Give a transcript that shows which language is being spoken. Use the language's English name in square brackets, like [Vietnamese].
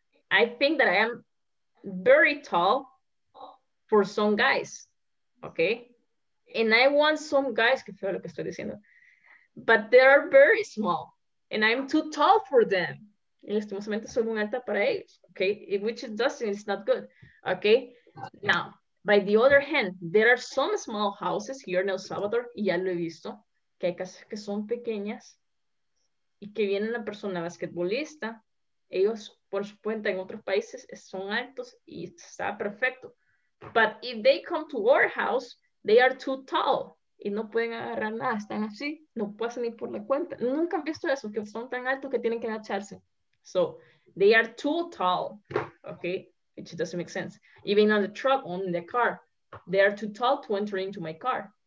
[English] I think that I am very tall for some guys, okay? And I want some guys, [Spanish] que feo lo que estoy diciendo, [English] but they are very small, and I'm too tall for them. [Spanish] Y lastimosamente soy muy alta para ellos, okay? [English] Which it doesn't, it's not good, okay? Now, by the other hand, there are some small houses here in El Salvador, [Spanish] y ya lo he visto, que hay casas que son pequeñas y que viene una persona basquetbolista, ellos por su cuenta en otros países son altos y está perfecto. [English] But if they come to our house, they are too tall [Spanish] y no pueden agarrar nada, están así, no pasan ni por la cuenta. Nunca han visto eso, que son tan altos que tienen que agacharse. [English] So, they are too tall, okay? Which doesn't make sense. Even on the truck, on the car, they are too tall to enter into my car.